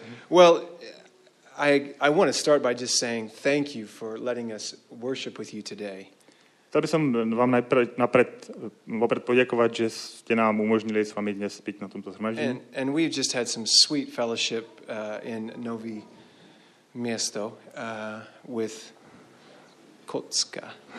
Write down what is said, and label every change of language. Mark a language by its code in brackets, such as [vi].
[en] Well, I want to start by just saying thank you for letting us worship with you today. [sk] Chcel by som vám vopred poďakovať, že ste nám umožnili s vami dnes byť na tomto zhromaždení. [en] And we've just had some sweet fellowship in Nové Mesto with Kocka.